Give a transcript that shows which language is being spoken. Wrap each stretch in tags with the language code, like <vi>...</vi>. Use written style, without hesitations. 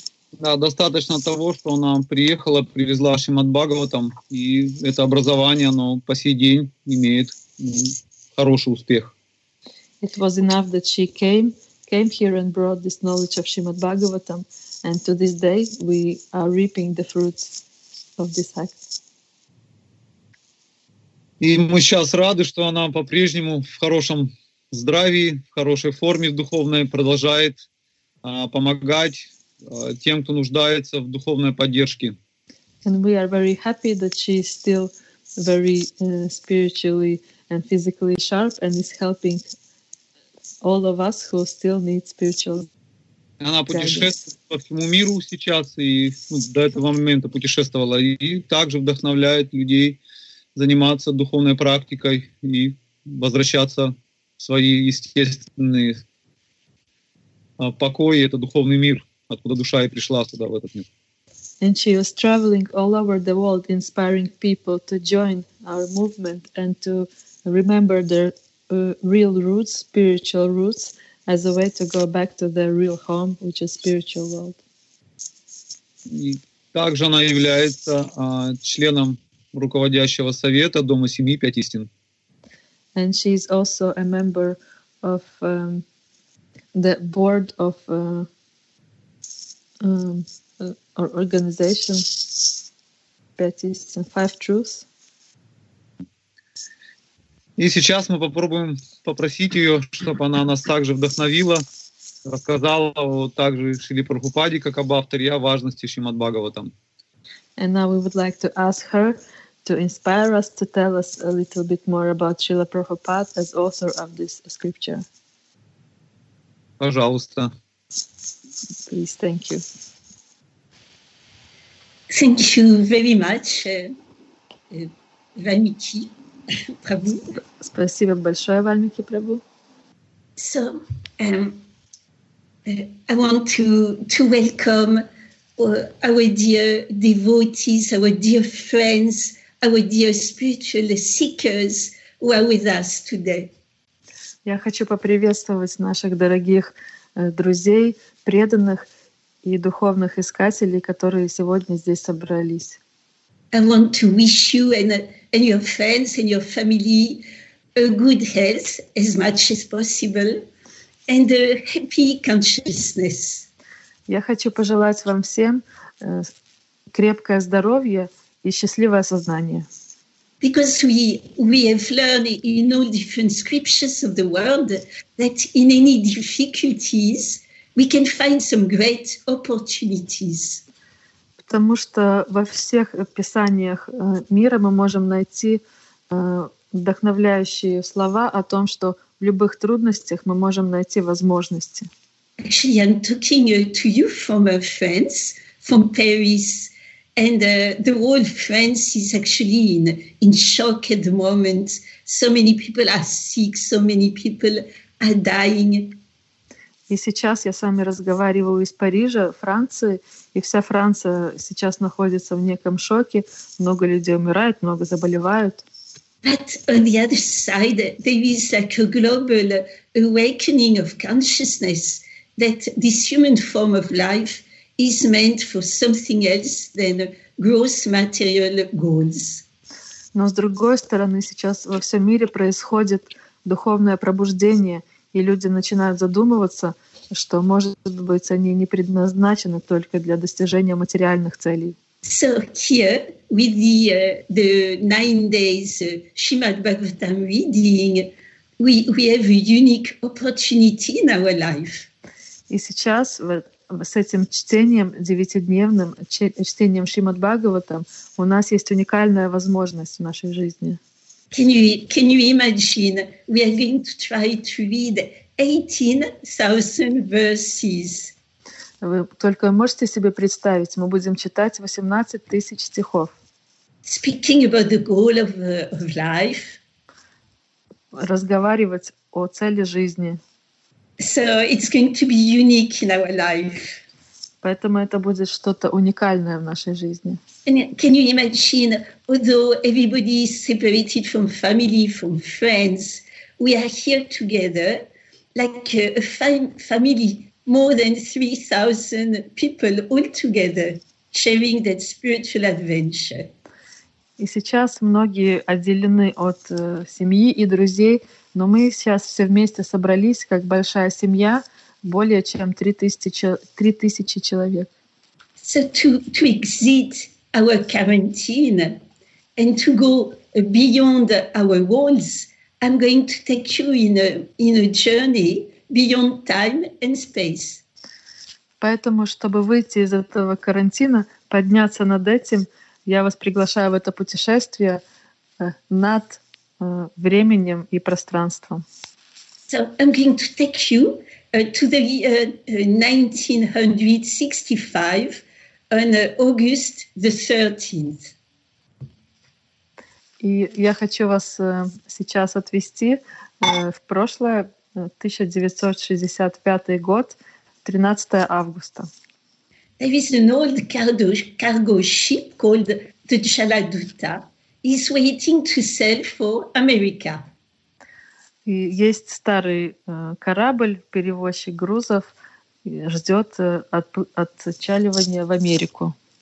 <ru>Да, достаточно того, что она приехала, привезла Шримад Бхагаватам, и это образование, оно по сей день имеет хороший успех.</ru> <en>It was enough that she came here and brought this knowledge of Shrimad Bhagavatam, and to this day we are reaping the fruits of this act.</en> <ru>И мы сейчас рады, что она по-прежнему в хорошем здравии, в хорошей форме духовной, продолжает помогать тем, кто нуждается в духовной поддержке.</ru> <en>And we are very happy that she is still very spiritually and physically sharp and is helping all of us who still need spiritual.</en> <ru>Она путешествует по всему миру сейчас и до этого момента путешествовала и также вдохновляет людей заниматься духовной практикой и возвращаться в свои естественные покои, это духовный мир. Откуда душа и пришла сюда, в этот мир.</ru> <en>And she was traveling all over the world, inspiring people to join our movement and to remember their real roots, spiritual roots, as a way to go back to their real home, which is spiritual world.</en> <ru>И также она является членом руководящего совета Дома Семьи Пять Истин.</ru> <en>And she is also a member of the board of our organization, Petis and Five Truths.</en> <ru>И сейчас мы попробуем попросить ее, чтобы она нас также вдохновила, рассказала вот также Шриле Прабхупаде, как об авторе, о важности Шримад Бхагаватам.</ru> <en>And now we would like to ask her to inspire us, to tell us a little bit more about Srila Prabhupada as author of this scripture.</en> <ru>Пожалуйста.</ru> <en>Please, thank you. Thank you very much, Valmiki Prabhu.</en> <ru>Спасибо большое, Valmiki Prabhu.</ru> <en>So, I want to welcome our dear devotees, our dear friends, our dear spiritual seekers who are with us today.</en> <ru>Я хочу поприветствовать наших дорогих друзей, преданных и духовных искателей, которые сегодня здесь собрались.</ru> <en>I want to wish you and your friends and your family a good health as much as possible and a happy consciousness.</en> <ru>Я хочу пожелать вам всем крепкое здоровье и счастливое сознание.</ru> <en>Because we have learned in all different scriptures of the world that in any difficulties we can find some great opportunities.</en> <ru>Потому что во всех писаниях мира мы можем найти вдохновляющие слова о том, что в любых трудностях мы можем найти возможности.</ru> <en>Actually, I'm talking to you from France, from Paris. And the whole France is actually in shock at the moment. So many people are sick, so many people are dying.</en> <ru>И сейчас я с вами разговариваю из Парижа, Франции, и вся Франция сейчас находится в неком шоке. Много людей умирают, много заболевают.</ru> <en>But on the other side, there is like a global awakening of consciousness that this human form of life is meant for something else than gross material goals.</en> <ru>Но с другой стороны, сейчас во всем мире происходит духовное пробуждение, и люди начинают задумываться, что, может быть, они не предназначены только для достижения материальных целей.</ru> <en>So here, with the 9 days Srimad Bhagavatam reading, we have a unique opportunity in our life.</en> <ru>И сейчас с этим чтением девятидневным, чтением Шримад-Бхагаватам, у нас есть уникальная возможность в нашей жизни.</ru> <en>Can you imagine, we are going to try to read 18,000 verses.</en> <ru>Вы только можете себе представить, мы будем читать 18 тысяч стихов.</ru> <en>Speaking about the goal of life.</en> <ru>Разговаривать о цели жизни.</ru> <en>So it's going to be unique in our life.</en> <ru>Поэтому это будет что-то уникальное в нашей жизни.</ru> <en>And can you imagine, although everybody is separated from family, from friends, we are here together, like a family, more than 3,000 people all together, sharing that spiritual adventure.</en> <ru>И сейчас многие отделены от семьи и друзей, но мы сейчас все вместе собрались, как большая семья, более чем 3000 человек.</ru> <en>So to exit our quarantine and to go beyond our walls, I'm going to take you in a journey beyond time and space.</en> <ru>Поэтому, чтобы выйти из этого карантина, подняться над этим, я вас приглашаю в это путешествие над временем и пространством.</ru> <en>So I'm going to take you to the 1965 on August the 13th.</en> <ru>И я хочу вас сейчас отвезти в прошлое, 1965 год, 13 августа.</ru> <en>There is an old cargo ship called the Jaladutta. It's waiting to sail for America.</en> <ru>Есть старый корабль, перевозчик грузов, ждет отчаливания в Америку.</ru>